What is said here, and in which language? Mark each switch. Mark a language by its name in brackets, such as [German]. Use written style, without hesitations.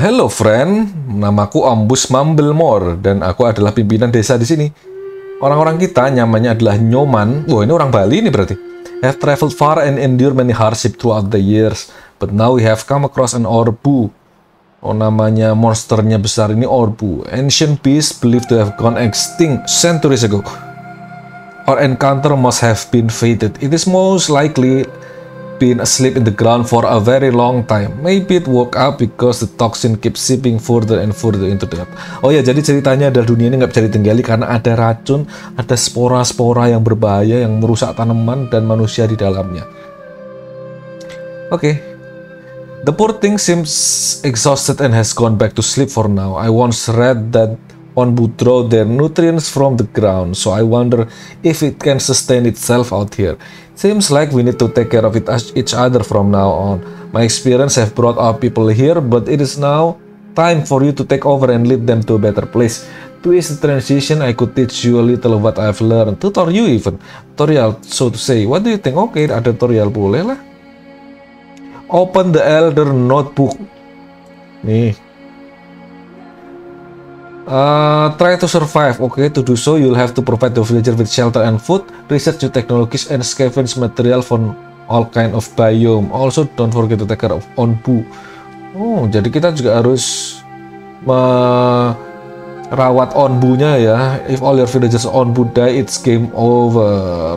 [English] Hello friend, [Indonesian] namaku Ambus Mumblemore dan aku adalah pimpinan desa di sini. Orang-orang kita namanya adalah Nyoman. Wah, ini orang Bali ini berarti. [English] Have traveled far and endured many hardship throughout the years, but now we have come across an Orbu. [Indonesian] Oh, namanya monsternya besar ini Orbu. [English] Ancient beast believed to have gone extinct centuries ago. Our encounter must have been fated. It is most likely been asleep in the ground for a very long time. Maybe it woke up because the toxin keeps seeping further and further into the earth. [Indonesian] Oh ya, jadi ceritanya adalah dunia ini nggak bisa ditinggali karena ada racun, ada spora-spora yang berbahaya yang merusak tanaman dan manusia di dalamnya. Oke. [English] The poor thing seems exhausted and has gone back to sleep for now. I once read that one would draw their nutrients from the ground, so I wonder if it can sustain itself out here. Seems like we need to take care of it as each other from now on. My experience have brought our people here, but it is now time for you to take over and lead them to a better place. To ease the transition, I could teach you a little of what I've learned. Tutor you even. Tutorial, so to say. What do you think? [Indonesian] Okay, ada tutorial, boleh lah. [English] Open the Elder Notebook. Nih. Try to survive. Okay, to do so, you'll have to provide the villager with shelter and food, research new technologies, and scavenge material from all kind of biome. Also, don't forget to take care of Onbu. [Indonesian] Oh, jadi kita juga harus merawat Onbunya ya. [English] If all your villagers Onbu die, it's game over.